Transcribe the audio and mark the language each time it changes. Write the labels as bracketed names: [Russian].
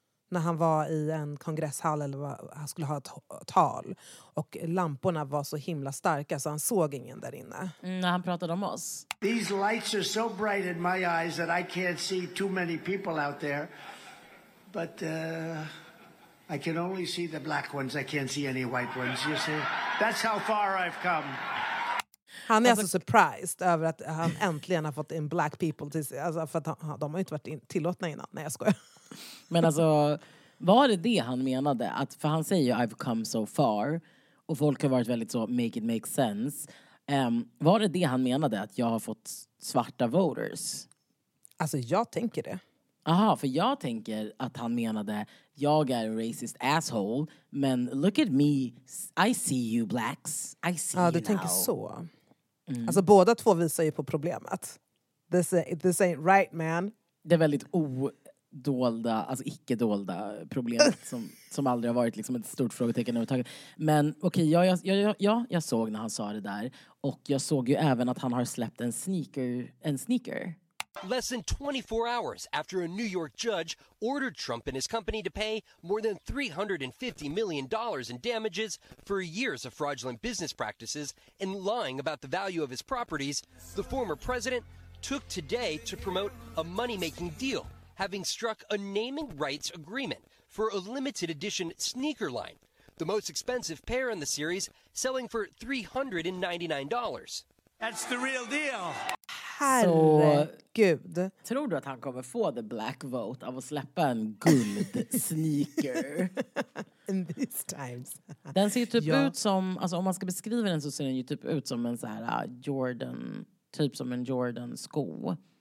[Swedish] När han var i en kongresshall eller vad, han skulle ha ett tal. Och lamporna var så himla starka så han såg ingen där inne. När han pratade om oss. [English] These lights are so bright in my eyes that I can't see too many people out there. But I can only see the black ones. I can't see any white ones, you see. That's how far I've come. [Swedish] Han är alltså surprised över att han äntligen har fått in [English] black people. [Swedish] Till, alltså, för att han, de har ju inte varit tillåtna innan. Nej, jag skojar. Men alltså, var det det han menade? Att, för han säger ju [English] I've come so far. [Swedish] Och folk har varit väldigt så [English] make it make sense. [Swedish] Var det det han menade? Att jag har fått svarta voters? Alltså jag tänker det. Aha, för jag tänker att han menade jag är en [English] racist asshole. Men look at me. I see you blacks. I see you now. [Swedish] Ja, du tänker så. Mm. Alltså båda två visar ju på problemet. [English] This ain't right, man. [Swedish] Det är väldigt dolda, alltså icke-dolda problemet som aldrig har varit liksom ett stort frågetecken överhuvudtaget. Men okej, okay, jag såg när han sa det där och jag såg ju även att han har släppt en sneaker. [English] Less than 24 hours after a New York judge ordered Trump and his company to pay more than $350 million in damages for years of fraudulent business practices and lying about the value of his properties, the former president took today to promote a money-making deal, having struck a naming rights agreement for a limited edition sneaker line, the most expensive pair in the series, selling for $399. That's the real deal. [Swedish] Herregud. Så, tror du att han kommer få [English] the black vote [Swedish] av att släppa en guld sneaker? [English] In these times. [Swedish] Den ser typ ut som, alltså om man ska beskriva den så ser den ju typ ut som en så här Jordan, typ som en Jordan sko.